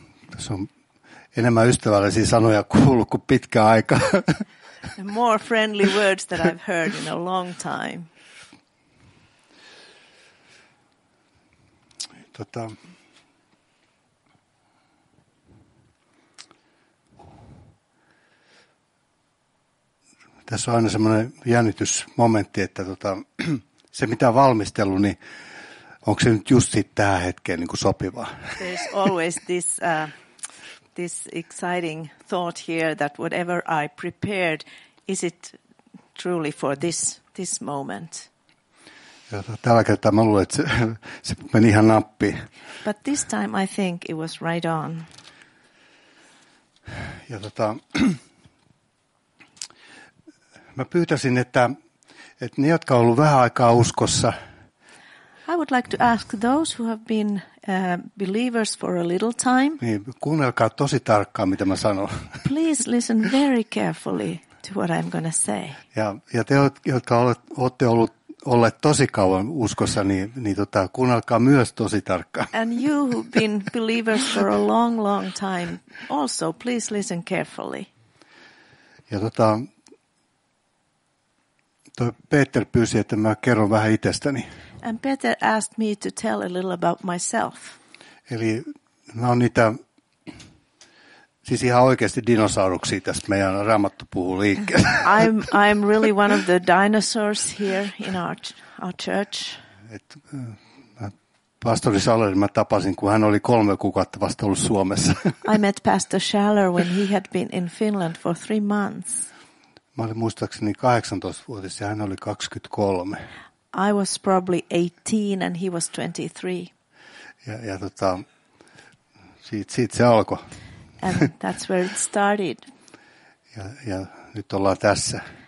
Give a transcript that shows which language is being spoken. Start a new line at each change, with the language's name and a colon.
Finnish: Tässä on enemmän ystävällisiä sanoja kuullut kuin pitkä aika.
English: More friendly words that I've heard in a long time.
Finnish: Tässä on aina semmoinen jännitysmomentti, että se mitä on valmistellut, niin onko se nyt just tähän hetkeen niin kuin sopiva?
English: There's always this exciting thought here that whatever I prepared, is it truly for this moment?
Finnish: Tällä kertaa mä luulen, että se meni ihan nappi.
English: But this time I think it was right on.
Finnish: Ja mä pyytäisin, että ne, jotka on ollut vähän aikaa uskossa,
English: I would like to ask those who have been believers for a little time.
Finnish: Niin, kuunnelkaa tosi tarkkaan, mitä mä sanon.
English: Please listen very carefully to what I'm going to say.
Finnish: Ja te, jotka olette olleet tosi kauan uskossa, niin kuunnelkaa myös tosi tarkkaan.
English: And you who've been believers for a long, long time, also please listen carefully.
Finnish: Ja toi Peter pyysi, että mä kerron vähän itsestäni.
English: And Peter asked me to tell a little about myself.
Finnish: Eli mä oon niitä, siis ihan oikeasti dinosauruksia tästä meidän Raamattu puhuu liikkeelle.
English: I'm really one of the dinosaurs here in our church.
Finnish: Pastori Schaller mä tapasin, kun hän oli 3 kuukautta vasta ollut Suomessa.
English: I met Pastor Schaller when he had been in Finland for 3 months.
Finnish: Mä olin muistaakseni 18-vuotias ja hän oli 23.
English: I was probably 18 and he was 23.
Finnish: Ja siitä se alkoi.
English: And that's where it started.
Finnish: Ja nyt ollaan tässä.